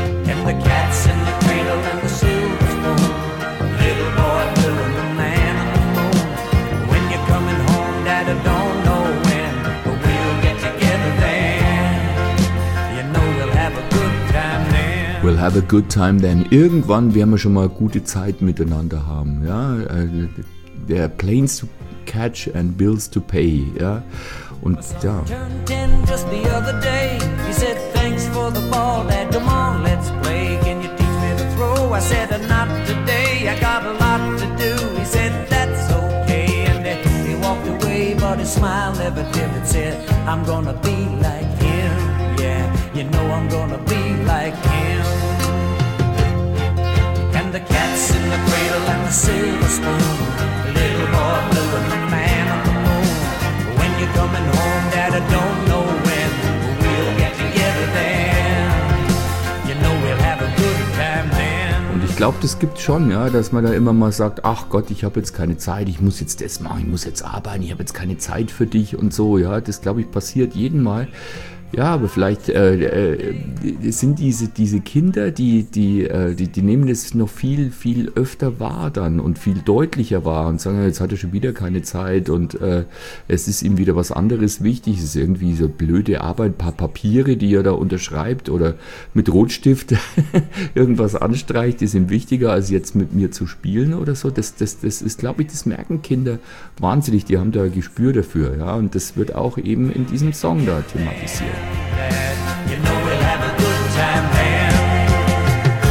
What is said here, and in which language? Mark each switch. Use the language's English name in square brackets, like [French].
[English] And the cat's in the cradle and the silver spoon, little boy blue and the man on the moon. When you're coming home, Dad, I don't know when, but we'll get together then, you know we'll have a good time then. We'll have a good time then. [German] Irgendwann werden wir schon mal gute Zeit miteinander haben. Ja? [English] There are planes to catch and bills to pay. [German] Ja? Und ja. [English] Turned in just the other day. He said, thanks for the ball, Dad. Come on, let's play. Can you teach me to throw? I said, not today. I got a lot to do. He said, that's okay. And he that's it. I'm gonna be like him, yeah. You know I'm gonna be like him. And the cat's in the cradle and the silver spoon. Little boy blue and the man on the moon. When you're coming home, Dad, I don't know when. We'll get together then. You know we'll have a good time then. [German] Und ich glaube, das gibt schon, ja, dass man da immer mal sagt, ach Gott, ich habe jetzt keine Zeit, ich muss jetzt das machen, ich muss jetzt arbeiten, ich habe jetzt keine Zeit für dich und so, ja, das glaube ich passiert jeden Mal. Ja, aber vielleicht sind diese Kinder, die nehmen das noch viel, viel öfter wahr dann und viel deutlicher wahr und sagen, jetzt hat er schon wieder keine Zeit und es ist ihm wieder was anderes wichtig. Es ist irgendwie so blöde Arbeit, ein paar Papiere, die er da unterschreibt oder mit Rotstift irgendwas anstreicht, die sind wichtiger als jetzt mit mir zu spielen oder so. Das ist, glaube ich, das merken Kinder wahnsinnig, die haben da ein Gespür dafür. Ja, und das wird auch eben in diesem Song da thematisiert. [English] You know we'll have a good time there.